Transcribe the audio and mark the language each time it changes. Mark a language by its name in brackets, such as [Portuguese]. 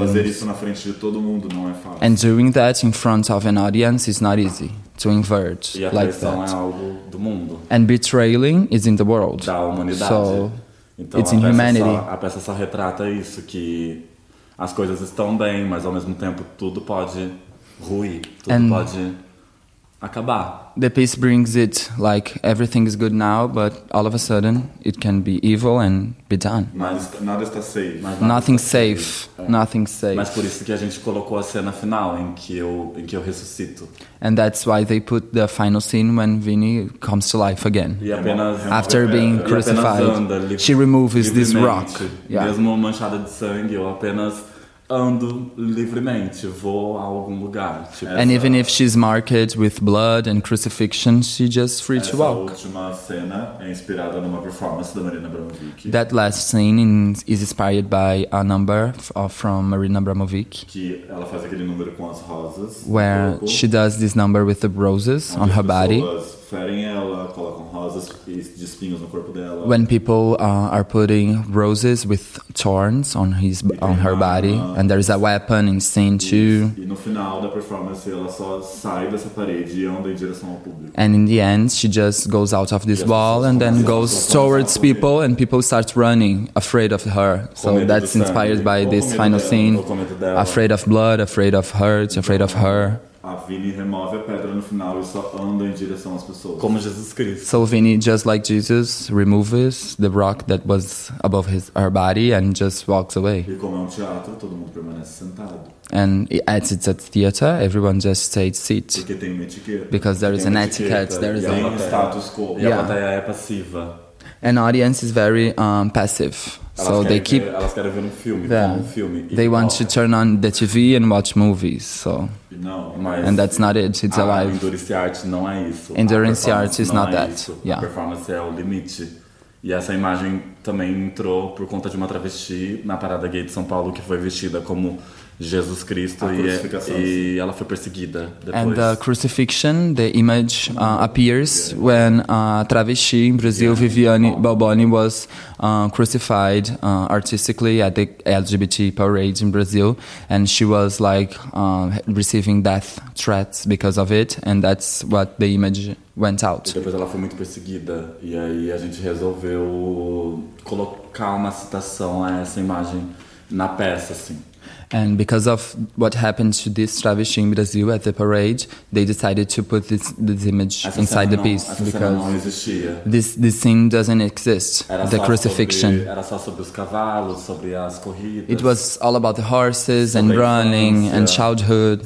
[Portuguese] Fazer isso na frente de todo mundo não é fácil. [English] And doing that in front of an audience is not easy. To invert [Portuguese] e a [English] like that. [Portuguese] É algo do mundo. [English] And betraying is in the world. [Portuguese] Da humanidade. [English] So [Portuguese] então, [English] it's in humanity. [Portuguese] Só, a peça só retrata isso, que as coisas estão bem, mas ao mesmo tempo tudo pode ruir. Tudo [English] and [Portuguese] pode acabar. [English] The piece brings it like everything is good now, but all of a sudden it can be evil and be done. [Portuguese] Mas nada está safe. [English] Nothing safe. [Portuguese] Mas por isso que a gente colocou a cena final em que eu ressuscito. [English] And that's why they put the final scene when Vini comes to life again. [Portuguese] E apenas [English] after being crucified, [Portuguese] anda, [English] she removes this rock. Yeah. [Portuguese] Mesmo manchada de sangue, eu apenas ando livremente, vou a algum lugar. Tipo, [English] and even if she's marked with blood and crucifixion, she's just free to walk. [Portuguese] Essa última cena é inspirada numa performance da Marina Abramović. [English] That last scene is inspired by a number from Marina Abramović. [Portuguese] Que ela faz aquele número com as rosas. [English] Where she does this number with the roses on her body. [Portuguese] As pessoas ferem ela, colocam rosas de espinhos no corpo dela. [English] When people are putting roses with thorns on his on her body, and there is a weapon in scene too. [Portuguese] E no final da performance ela só sai dessa parede e anda em direção ao público. [English] And in the end she just goes out of this wall and then goes towards people and people start running afraid of her. So that's inspired by this final scene. Afraid of blood, afraid of hurt, afraid of her. [Portuguese] A Vini remove a pedra no final e só anda em direção às pessoas. Como Jesus Cristo. [English] So Vini, just like Jesus, removes the rock that was above his her body and just walks away. [Portuguese] E como é teatro, todo mundo permanece sentado. [English] And as it's a theater, everyone just stays seated. [Portuguese] Porque tem uma etiqueta. [English] Because there is an etiquette, there is a status quo. [Portuguese] E a plateia é passiva. [English] An audience is very passive. So [Portuguese] elas [English] they keep. [Portuguese] Ver, elas querem ver um filme, yeah. Um filme. [English] They want to turn on the TV and watch movies. So. [Portuguese] No, mas [English] and that's not it. It's alive. [Portuguese] Endurance art não é isso. [English] Endurance art is not that. Yeah. [Portuguese] A performance é o limite. E essa imagem também entrou por conta de uma travesti na Parada Gay de São Paulo que foi vestida como Jesus Cristo e ela foi perseguida depois. [English] And the crucifixion, the image appears when a travesti in Brazil, Viviane Balboni, was crucified artistically at the LGBT parade in Brazil, and she was like receiving death threats because of it, and that's what the image went out. [Portuguese] E depois ela foi muito perseguida e aí a gente resolveu colocar uma citação a essa imagem na peça, assim. [English] And because of what happened to this travesti in Brazil at the parade, they decided to put this image [Portuguese] essa [English] inside the [Portuguese] não, [English] piece [Portuguese] essa [English] because [Portuguese] cena não existia. [English] This scene doesn't exist. [Portuguese] Era [English] the [Portuguese] só [English] crucifixion. [Portuguese] Sobre, era só sobre os cavalos, sobre as corridas. [English] It was all about the horses sobre and running and childhood.